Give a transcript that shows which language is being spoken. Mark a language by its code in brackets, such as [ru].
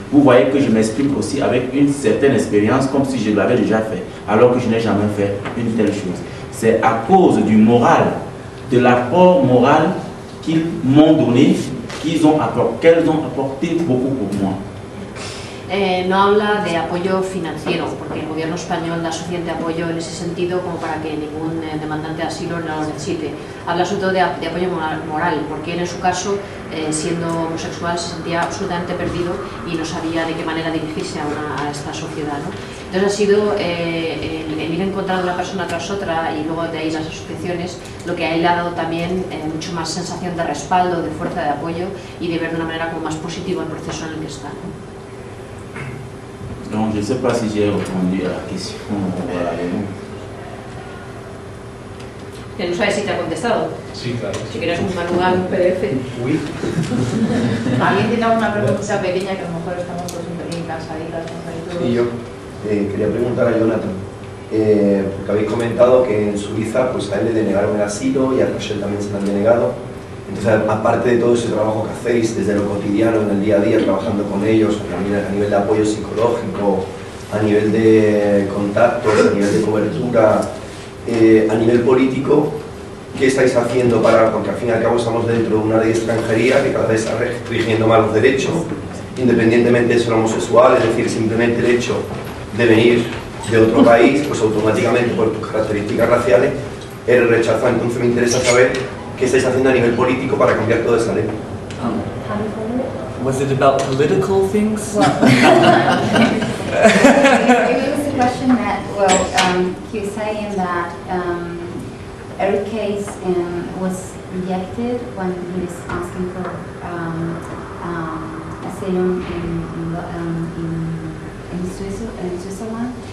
[fr] Vous voyez que je m'exprime aussi avec une certaine expérience comme si je l'avais déjà fait, alors que je n'ai jamais fait une telle chose. C'est à cause du moral, de l'apport moral qu'ils m'ont donné, qu'elles ont apporté beaucoup pour moi. [es] No habla de apoyo financiero, porque el gobierno español da suficiente apoyo en ese sentido como para que ningún demandante de asilo no lo necesite. Habla sobre todo de apoyo moral, porque él en su caso, siendo homosexual, se sentía absolutamente perdido y no sabía de qué manera dirigirse a esta sociedad, ¿no? Entonces ha sido el ir encontrando una persona tras otra y luego de ahí las asociaciones, lo que a él le ha dado también mucho más sensación de respaldo, de fuerza, de apoyo y de ver de una manera como más positiva el proceso en el que está, ¿no? [fr] Donc, je ne sais pas si j'ai répondu à la question. Voilà, non. Je ne sais pas si tu as répondu. [es] Si, sí, claro. Si quieres un manual, un PDF. [fr] Oui. [es] ¿Alguien tiene alguna pregunta pequeña que a lo mejor estamos todos en casa y las compañeras? Sí, yo quería preguntar a Jonathan. Porque habéis comentado que en Suiza pues a él le denegaron el asilo y a Rachel también se lo han denegado. Entonces, aparte de todo ese trabajo que hacéis desde lo cotidiano, en el día a día, trabajando con ellos, también a nivel de apoyo psicológico, a nivel de contactos, a nivel de cobertura, a nivel político, ¿qué estáis haciendo para, porque al fin y al cabo estamos dentro de una ley de extranjería que cada vez está restringiendo más los derechos, independientemente de ser homosexual, es decir, simplemente el hecho de venir de otro país, pues automáticamente por tus características raciales, eres rechazado? Entonces me interesa saber, ¿qué estáis haciendo a nivel político para cambiar toda esa ley? [en] Was it about political things? Well, it was a question that, well, he was saying that Eric Case was rejected when he was asking for asylum in Switzerland.